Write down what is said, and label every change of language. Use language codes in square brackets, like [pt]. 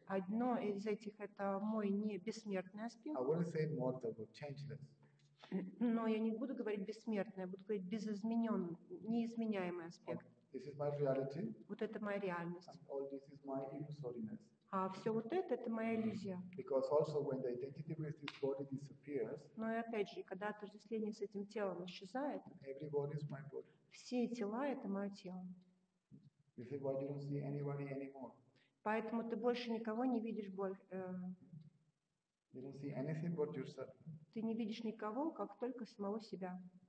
[ru] Одно из этих – это мой не бессмертный аспект. [en] I wouldn't say immortal, but changeless. [ru] Но я не буду говорить бессмертный, я буду говорить безизмененный, неизменяемый аспект. [en] Okay. This is my reality. [ru] Вот это моя реальность. [en] And all this is my illusoriness. [ru] А все вот это моя иллюзия. [en] Because also when the identity with this body disappears. [ru] Но и опять же, когда отождествление с этим телом исчезает. [en] Every body is my body. [ru] Все тела это мое тело. [en] This is why you don't see anybody anymore. [ru] Поэтому ты больше никого не видишь больше. [en] You don't see anything but yourself. [ru] Ты не видишь никого, как только самого себя.